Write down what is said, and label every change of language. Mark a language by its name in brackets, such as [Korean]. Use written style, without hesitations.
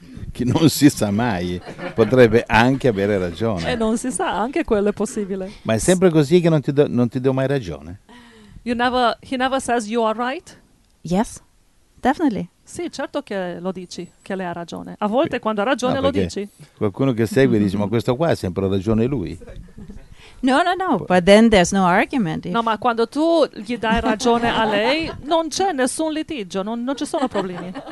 [Italian] Che non si sa mai, potrebbe anche avere ragione. E non si sa, anche quello è possibile. Ma è sempre così che non ti do mai ragione? [English] You never, he never says you are right? Yes, definitely. [Italian] Sì, certo che lo dici, che lei ha ragione. A volte quando ha ragione lo dici. Qualcuno che segue dice, ma questo qua ha sempre ragione lui. [English] No, but then there's no argument. [Italian] No, ma quando tu gli dai ragione a lei, non c'è nessun litigio, non ci sono problemi.